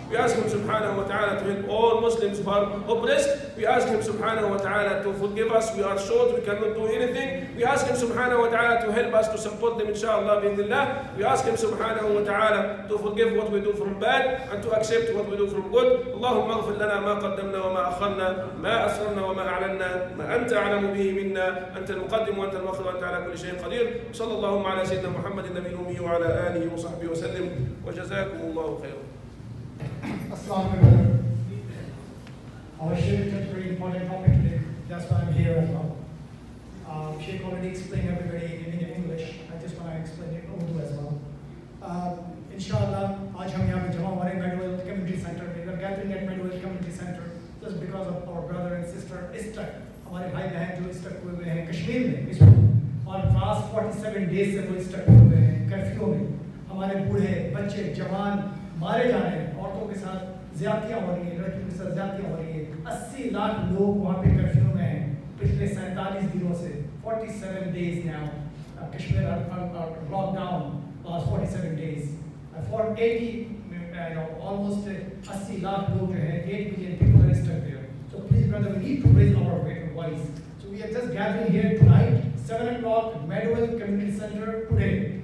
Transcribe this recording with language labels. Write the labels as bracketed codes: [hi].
[en] We ask him subhanahu wa ta'ala to help all Muslims who are oppressed. We ask him subhanahu wa ta'ala to forgive us. We are short, we cannot do anything. We ask him subhanahu wa ta'ala to help us to support them inshallah bi'idhnillah. We ask him subhanahu wa ta'ala to forgive what we do from bad and to accept what we do from good. [ar] اللهم اغفر لنا ما قدمنا وما أخرنا ما أسررنا وما أعلنا ما أنت أعلم به منا أنت المقدم وأنت المؤخر وأنت على كل شيء قدير صلى الله على سيدنا محمد النبي الأمي وعلى آله وصحبه وسلم وجزاكم الله خيرا السلام عليكم [en] Our shirt is very important topic today. That's why I'm here as well. Sheikh already explained everybody in English. I just want to explain it in Urdu as well. [hi] Inshallah, आज हम यहाँ पे जमा हो रहे हैं Medical Community Center. [en] We are gathering at Medical Community Center just because of our brother and sister stuck. [hi] हमारे भाई बहन जो stuck हुए हैं कश्मीर में इस और [en] fast 47 days [hi] से वो stuck हुए हैं कर्फ्यू में. हमारे बूढ़े बच्चे जवान मारे जा रहे हैं. औरतों के साथ ज्यादतियाँ हो रही हैं, लड़कियों के साथ ज्यादतियाँ हो रही हैं. 80 लाख लोग वहाँ पे कर्फ्यू में हैं पिछले 47 दिनों से. [en] 47 days now. Kashmir are locked down last 47 days. For 80, almost 80 lakh people, 8 million people are stuck there. So please, brother, we need to raise our voice. So we are just gathering here tonight, 7 o'clock, Medwell Community Center, today.